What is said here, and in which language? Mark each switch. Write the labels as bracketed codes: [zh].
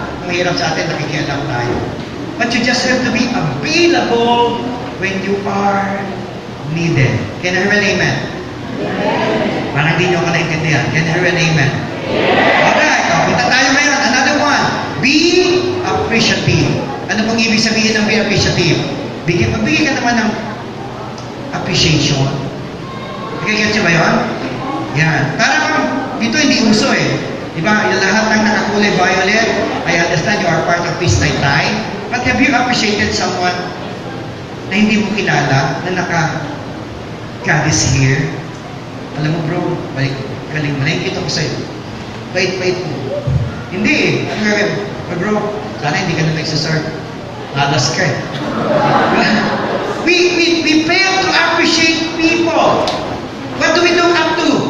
[tl] Mahirap sa atin, nakikialam tayo. [en] But you just have to be available when you are needed. Can I hear an amen? [tl] Parang hindi nyo ka naintindihan. [en] Can I hear an amen? [tl] Alright, punta tayo ngayon. [en] Another one. Be appreciative. [tl] Ano pong ibig sabihin ng [en] be appreciative? [tl] Magbigay ka naman ng appreciation. Nakikita siya ba yun? Yan. Parang dito hindi uso eh. Diba, yung lahat ng nakakulay violet, [en] I understand you are part of this night time. But have you appreciated someone [tl] na hindi mo kilala, [en] na naka-God is here? [tl] Alam mo bro, balik ito ko sa'yo. Wait mo. Hindi eh. Okay, bro, sana hindi ka na magsaserve. Malas ka eh. [en] We fail to appreciate people. What do we look up to?